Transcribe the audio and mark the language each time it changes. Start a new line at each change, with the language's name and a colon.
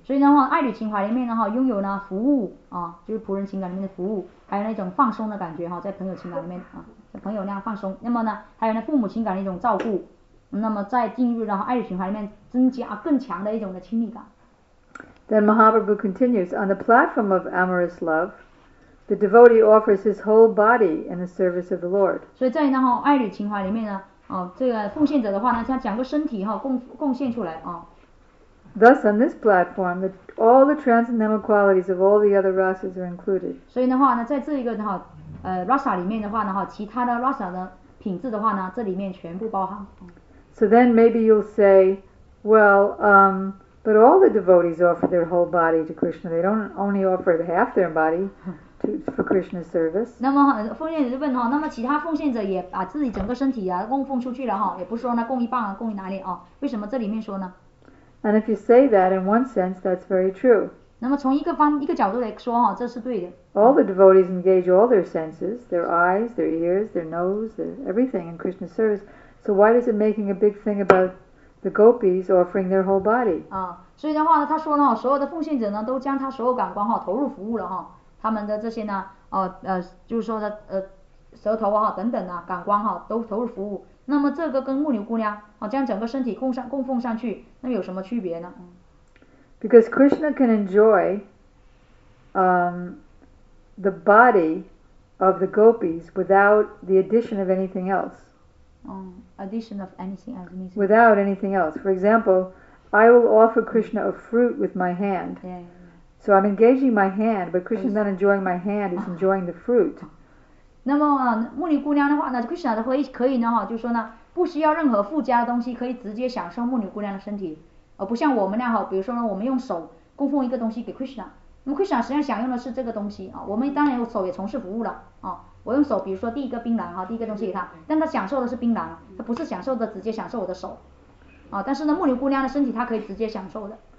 Chinese: 所以的话，爱侣情怀里面的话，拥有呢服务啊，就是仆人情感里面的服务，还有那种放松的感觉哈，在朋友情感里面啊，在朋友那样放松。那么呢，还有呢父母情感的一种照顾。那么在进入然后爱的循环里面增加更强的一种的亲密感。
English: Then Mahaprabhu continues, on the platform of amorous love, the devotee offers his whole body in the service of the Lord.
Chinese: 所以在然后爱的循环里面呢，这个奉献者的话呢，他讲个身体哈，贡献出来啊。
English: Thus on this platform, all the transcendental qualities of all the other rasas are included.
Chinese: 所以的话呢，在这一个的话，rasa 里面的话呢，其他的 rasa 的品质的话呢，这里面全部包含。
English: So then maybe you'll say, well, but all the devotees offer their whole body to Krishna. They don't only offer half their body for Krishna's service.
Chinese: 那么奉献者就问哈，那么其他奉献者也把自己整个身体啊供奉出去了哈，也不是说呢供一半啊，供哪里啊？为什么这里面说呢？
English: And if you say that in one sense, that's very true.
Chinese: 那么从一个角度来说哈，这是对的。
English: All the devotees engage all their senses, their eyes, their ears, their nose, everything in Krishna's service. So why is it making a big thing about the gopis offering their whole body?
Chinese: 啊，所以的话呢，他说呢，所有的奉献者呢，都将他所有感官哈投入服务了哈，他们的这些呢，就是说的舌头啊等等啊感官哈都投入服务。那么这个跟牧牛姑娘啊将整个身体供奉上去，那有什么区别呢？
English: Because Krishna can enjoy, the body of the gopis without the addition of anything else. Addition of anything else. Without anything else. For example, I will offer Krishna a fruit with my hand. Yeah. So I'm engaging my hand, but Krishna's not enjoying my hand, he's enjoying the fruit.
Chinese: 那么牧女姑娘的话呢， Krishna 的话可以呢，就说呢，不需要任何附加的东西，可以直接享受牧女姑娘的身体，而不像我们那样，比如说呢，我们用手供奉一个东西给 Krishna， 那么 Krishna 实际上享用的是这个东西，我们当然有手也从事服务了，我用手比如说第一个槟榔啊，第一个东西给他，但他享受的是槟榔，他不是享受的直接享受我的手啊，但是呢牧牛姑娘的身体他可以直接享受的。